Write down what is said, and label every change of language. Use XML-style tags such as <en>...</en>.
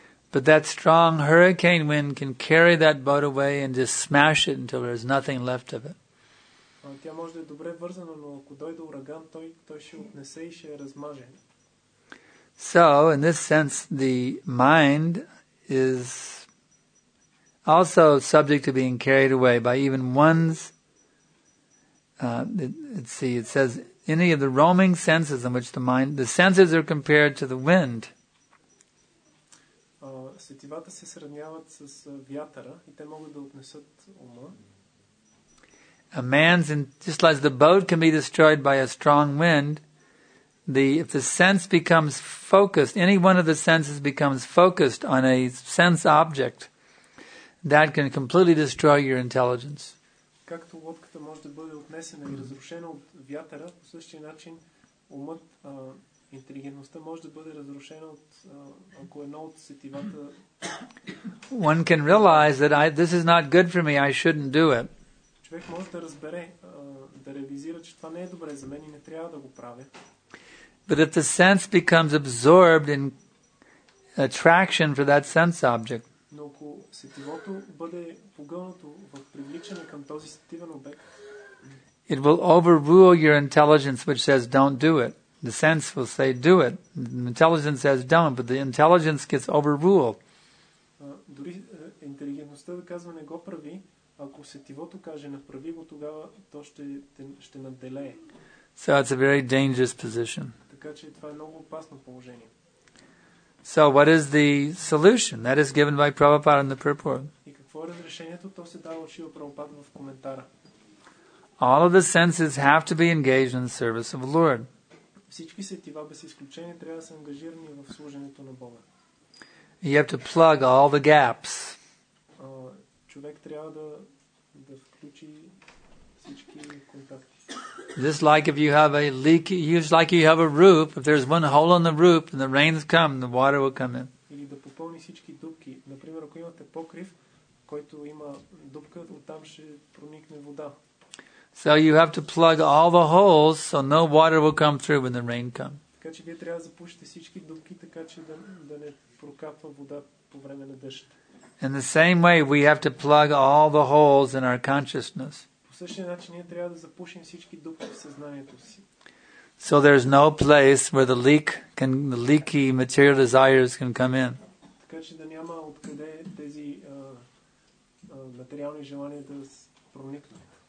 <en>But that strong hurricane wind can carry that boat away and just smash it until there's nothing left of it.</en> <bg>Тя може да е добре вързана, но ако дойде ураган, той ще отнесе и ще размаже.</bg> <en>So, in this sense, the mind is also subject to being carried away by even one's it says any of the roaming senses in which the senses are compared to the wind.</en> <bg>Сетивата се сравняват с вятъра и те могат да отнесат ума.</bg> <en>A man's, just like the boat can be destroyed by a strong wind, if the sense becomes focused, any one of the senses becomes focused on a sense object, that can completely destroy your intelligence.</en> <bg>Както лодката може да бъде отнесена и разрушена от вятъра, по същия начин умът, интелигентността може да бъде разрушена от ако едно от сетивата.</bg> <en>One can realize that this is not good for me, I shouldn't do it.</en> <bg>Човек може да разбере, да ревизира, че това не е добре за мен и не трябва да го правя.</bg> <en>But if the sense becomes absorbed in attraction for that sense object,</en> <bg>но ако сетивото бъде погълнато в привличане към този сетивен обект,</bg> <en>it will overrule your intelligence, which says don't do it. The sense will say do it. The intelligence says don't, but the intelligence gets overruled.</en> <bg>Дори интелигентността да казва не го прави, ако сетивото каже направи го, тогава то ще надделее.</bg> <en>So it's a very dangerous position.</en> <bg>Така че това е много опасно положение.</bg> <en>So what is the solution? That is given by Prabhupada in the purport.</en> <bg>И какво е разрешението? То се дава от Шрила Прабхупада в коментара.</bg> <en>All of the senses have to be engaged in the service of the Lord.</en> <bg>Всички сетива без изключение трябва да са ангажирани в служенето на Бога.</bg> <en>You have to plug all the gaps.</en> <bg>Човек трябва да включи всички контакти.</bg> <en>Just like if you have a leak, just like you have a roof, if there's one hole in the roof and the rains come, the water will come in.</en> <bg>Или да попълни всички дупки. Например, ако имате покрив, който има дупка, оттам ще проникне вода.</bg> <en>So you have to plug all the holes so no water will come through when the rain comes.</en> <bg>Така че вие трябва да запушите всички дупки, така че да не прокапва вода по време на дъжд.</bg> <en>In the same way, we have to plug all the holes in our consciousness.</en> <bg>По същия начин ние трябва да запушим всички дупки в съзнанието си.</bg> <en>So there's no place where the leaky material desires can come in.</en> <bg>Така че да няма откъде тези материални желания да проникнат.</bg>